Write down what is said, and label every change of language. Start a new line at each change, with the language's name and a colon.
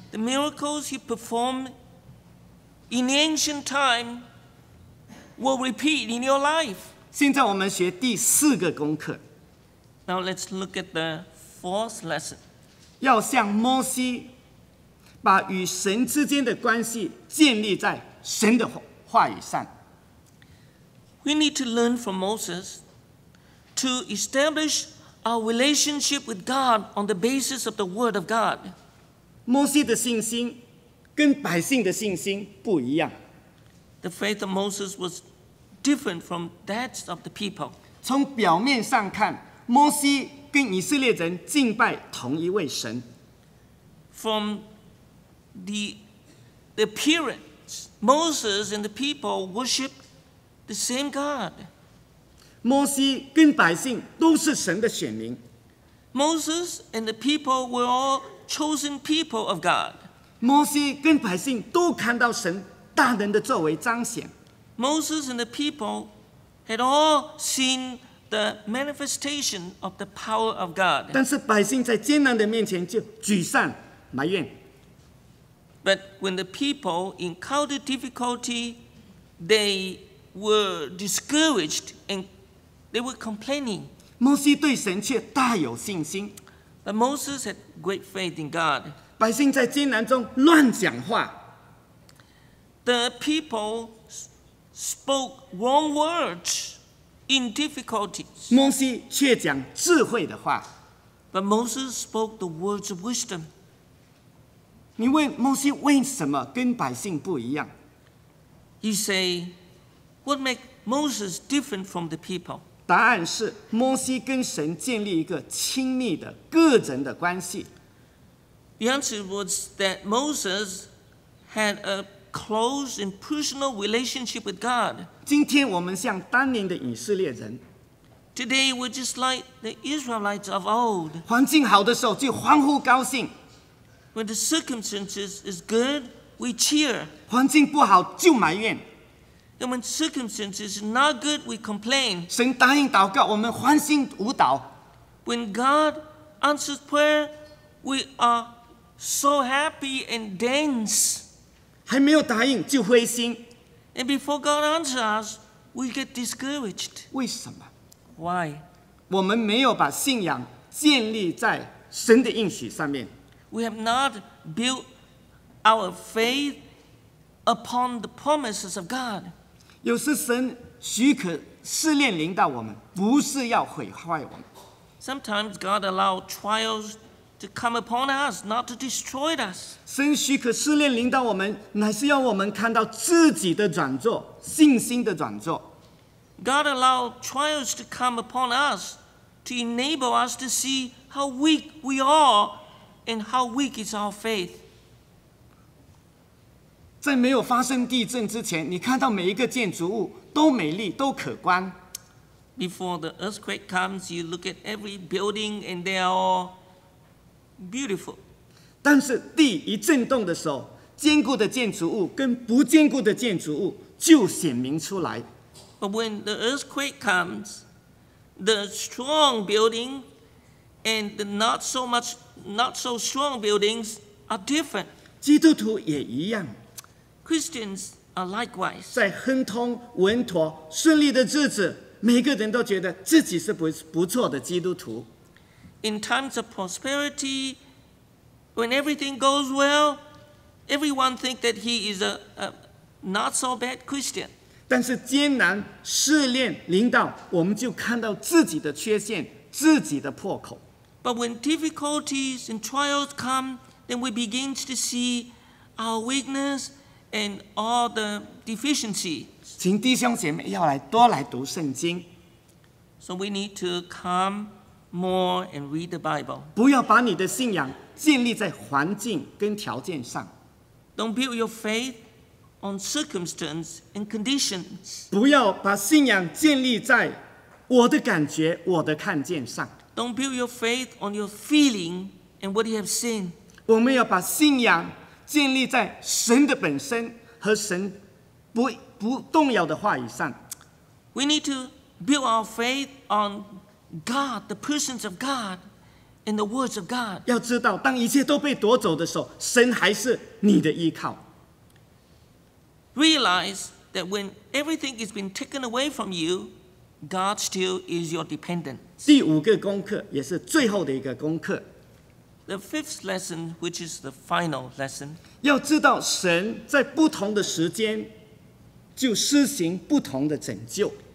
English: The miracles He performed in ancient time will repeat in your life.
Chinese: 现在我们学第四个功课。
English: Now let's look at the fourth lesson.
Chinese: 要像摩西，把与神之间的关系建立在神的话语上。
English: We need to learn from Moses to establish our relationship with God on the basis of the Word of God.
Chinese: 摩西的信心跟百姓的信心不一样。
English: The faith of Moses was different from that of the people.
Chinese: 从表面上看，摩西跟以色列人敬拜同一位神。
English: From the appearance, Moses and the people worship the same God.
Chinese: 摩西跟百姓都是神的选民。
English: Moses and the people were all chosen people of God.
Chinese: 摩西跟百姓都看到神大能的作为彰显。
English: Moses and the people had all seen the manifestation of the power of God.
Chinese: 但是百姓在艰难的面前就沮丧埋怨。
English: But when the people encountered difficulty, they were discouraged and they were complaining.
Chinese: 摩西对神却大有信心。
English: But Moses had great faith in God.
Chinese: 百姓在艰难中乱讲话。
English: The people spoke wrong words in difficulties.
Chinese: 摩西却讲智慧的话。
English: But Moses spoke the words of wisdom.
Chinese: 你问摩西为什么跟百姓不一样？
English: You say, what makes Moses different from the people?
Chinese: 答案是摩西跟神建立一个亲密的个人的关系。
English: The answer was that Moses had a close and personal relationship with God.
Chinese: 今天我们像当年的以色列人。
English: Today we're just like the Israelites of old.
Chinese: 环境好的时候就欢呼高兴。
English: When the circumstances is good, we cheer.
Chinese: 环境不好就埋怨。那么
English: circumstances is not good, we complain.
Chinese: 神答应祷告，我们欢欣舞蹈。
English: When God answers prayer, we are so happy and dance.
Chinese: 还没有答应就灰心。
English: And before God answers us, we get discouraged.
Chinese: 为什么？
English: Why?
Chinese: 我们没有把信仰建立在神的应许上面。
English: We have not built our faith upon the promises of God.
Chinese: 有时神许可试炼临到我们，不是要毁坏我们。
English: Sometimes God allows trials to come upon us, not to destroy us.
Chinese: 神许可试炼临到我们，乃是要我们看到自己的软弱，信心的软弱。
English: God allows trials to come upon us to enable us to see how weak we are and how weak is our faith.
Chinese: 在没有发生地震之前，你看到每一个建筑物都美丽，都可观。
English: Before the earthquake comes, you look at every building and they are all beautiful.
Chinese: 但是地一震动的时候，坚固的建筑物跟不坚固的建筑物就显明出来。
English: But when the earthquake comes, the strong building and the not so strong buildings are different.
Chinese: 基督徒也一样。
English: Christians are likewise.
Chinese: 在亨通、稳妥、顺利的日子，每个人都觉得自己是不错的基督徒。
English: In times of prosperity, when everything goes well, everyone thinks that he is a not so bad Christian.
Chinese: 但是艰难试炼临到，我们就看到自己的缺陷、自己的破口。
English: But when difficulties and trials come, then we begin to see our weakness. And all the deficiencies.
Chinese: 请弟兄姐妹要来多来读圣经。
English: So we need to come more and read the Bible.
Chinese: 不要把你的信仰建立在环境跟条件上。
English: Don't build your faith on circumstances and conditions.
Chinese: 不要把信仰建立在我的感觉、我的看见上。
English: Don't build your faith on your feeling and what you have seen.
Chinese: 我们要把信仰建立在神的本身和神 不动摇的话语上。
English: We need to build our faith on God, the persons of God, and the words of God.
Chinese: 要知道，当一切都被夺走的时候，神还是你的依靠。
English: Realize that when everything has been taken away from you, God still is your dependent.
Chinese: 第五个功课，也是最后的一个功课。
English: The fifth lesson, which is the final lesson.
Chinese: 要知道神在不同的时间就施行不同的拯救。